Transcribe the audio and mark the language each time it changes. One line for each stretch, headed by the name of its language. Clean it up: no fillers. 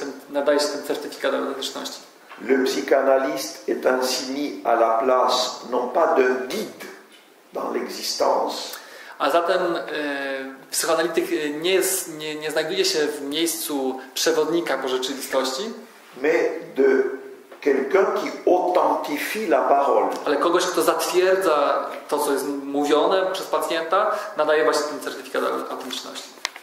Polish: Nadaje się ten certyfikat autentyczności.
French: Le psychanalyste est ainsi mis à la place, non pas d'un guide dans l'existence.
Polish: A zatem psychoanalityk nie znajduje się w miejscu przewodnika po rzeczywistości,
French: mais de quelqu'un qui authentifie la parole.
Polish: Ale kogoś, kto zatwierdza to, co jest mówione przez pacjenta, nadaje właśnie ten certyfikat autentyczności.